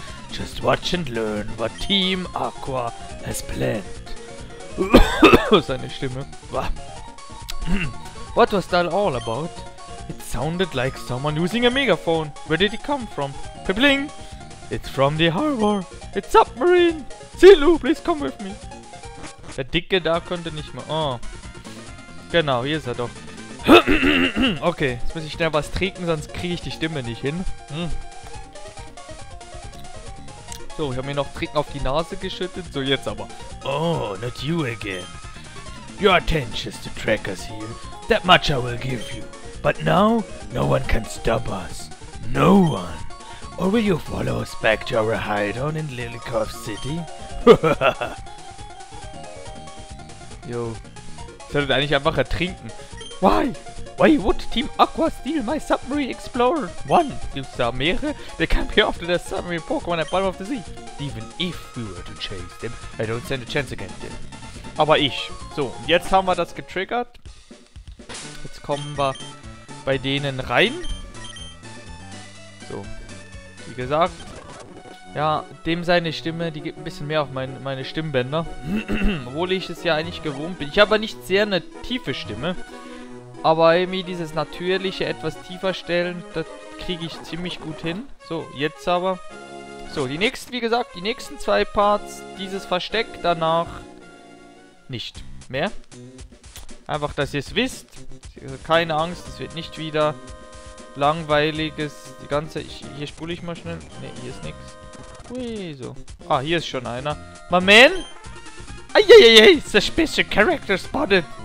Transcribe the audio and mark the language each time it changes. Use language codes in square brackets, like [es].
[en] Just watch and learn what Team Aqua has planned. [de] Seine Stimme. [en] What was that all about? It sounded like someone using a megaphone. Where did it come from? Pibling! It's from the harbor. It's submarine! Silu, please come with me. [de] Der Dicke da konnte nicht mehr... Oh. Genau, hier ist er doch. Okay, jetzt muss ich schnell was trinken, sonst kriege ich die Stimme nicht hin. Hm. So, ich habe mir noch Trinken auf die Nase geschüttet. So, jetzt aber. [en] Oh, not you again. Your attention is to track us here. That much I will give you. But now, no one can stop us. No one. Or will you follow us back to our hideout in Lilikov City? Yo. [de] Solltet eigentlich einfach ertrinken. [en] Why? Why would Team Aqua steal my submarine explorer? [de] One. Gibt's da mehrere? [en] They can't be after the submarine Pokemon at the bottom of the sea. Even if we were to chase them, I don't stand a chance against them. [de] Aber ich. So, jetzt haben wir das getriggert. Jetzt kommen wir bei denen rein. So. Wie gesagt. Ja, dem seine Stimme, die gibt ein bisschen mehr auf meine Stimmbänder. Obwohl ich es ja eigentlich gewohnt bin. Ich habe aber nicht sehr eine tiefe Stimme. Aber irgendwie dieses natürliche, etwas tiefer stellen, das kriege ich ziemlich gut hin. So, jetzt aber. So, die nächsten, wie gesagt, die nächsten zwei Parts, dieses Versteck danach nicht mehr. Einfach, dass ihr es wisst. Keine Angst, es wird nicht wieder langweiliges. Die ganze. Hier spule ich mal schnell. Ne, hier ist nichts. Hui, so. Ah, hier ist schon einer. [en] My man! Eieiei, suspicious character spotted.